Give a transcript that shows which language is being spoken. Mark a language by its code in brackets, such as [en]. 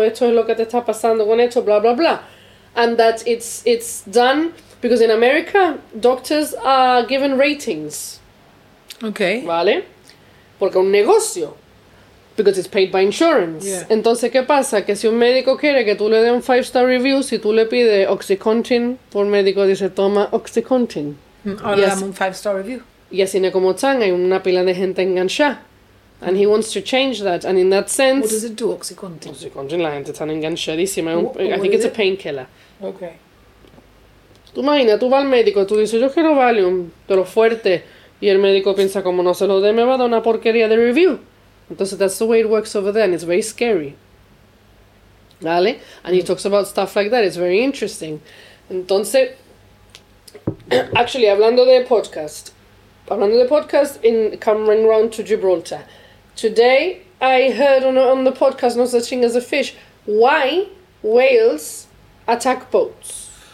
[es] Esto es lo que te está pasando con esto, bla, bla, bla. [en] And that it's done, because in America, doctors are given ratings. Okay. [es] ¿Vale? Porque un negocio. [en] Because it's paid by insurance. Yeah. [es] Entonces, ¿qué pasa? Que si un médico quiere que tú le den 5-star review, si tú le pides OxyContin, por médico dice, toma OxyContin. Ahora le damos un 5-star review. Y así no como están, hay una pila de gente enganchada. [en] And he wants to change that, and in that sense... What does it do, OxyContin? OxyContin, [es] la gente está enganchadísima. [en] I think it's a painkiller. Okay. [es] Tú imagina, tú vas al médico, tú dices, yo quiero Valium, pero fuerte. Y el médico piensa, como no se lo dé, me va a dar una porquería de review. [en] Entonces, that's the way it works over there, and it's very scary. ¿Vale? And he talks about stuff like that, it's very interesting. Entonces, actually, [es] hablando de podcast, [en] in coming round to Gibraltar. Today, I heard on the podcast, No Such Thing as a Fish, why whales attack boats.